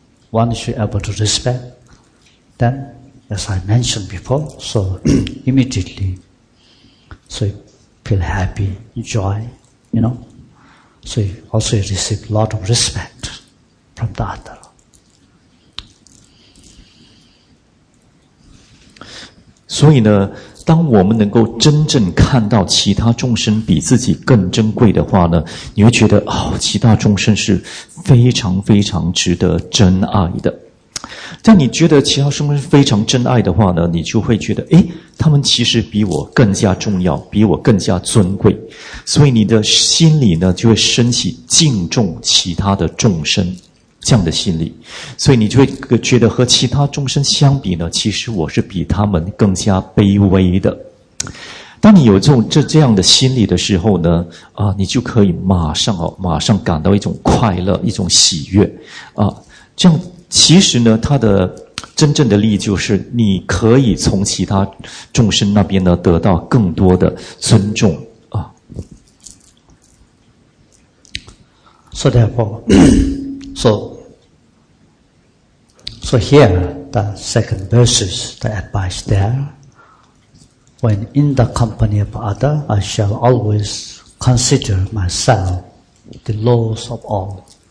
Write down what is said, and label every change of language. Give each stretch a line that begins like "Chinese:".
English: Once you're able to respect, then, as I mentioned before, so immediately, so you feel happy, joy, you know. So you also receive a lot of respect from the other.
Chinese: 所以呢，当我们能够真正看到其他众生比自己更珍贵的话呢，你会觉得，哦，其他众生是非常非常值得珍爱的。在你觉得其他众生非常珍爱的话呢，你就会觉得，诶，他们其实比我更加重要，比我更加尊贵，所以你的心里呢就会升起敬重其他的众生这样的心理，所以你就会觉得和其他众生相比呢，其实我是比他们更加卑微的。当你有这样的心理的时候呢，啊，你就可以马上感到一种快乐，一种喜悦，啊，这样其实呢，它的真正的利益就是你可以从其他众生那边呢得到更多的尊重啊。
English: So therefore, so here the second verses the advice there. When in the company of other, I shall always consider myself the lowest of all.